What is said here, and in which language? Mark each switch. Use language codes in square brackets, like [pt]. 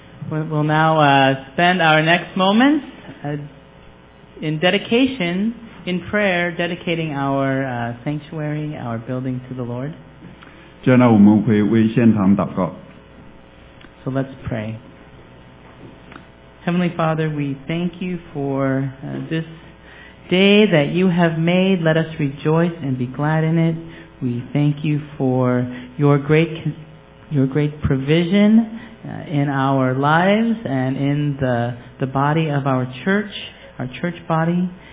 [en] We'll now spend our next moment in dedication, in prayer, dedicating our sanctuary, our building to the Lord. [zh] 接下来我们会为现场祷告。 [en] So let's pray. Heavenly Father, we thank you for this day that you have made. Let us rejoice and be glad in it. We thank you for your great provision in our lives and in the body of our church body.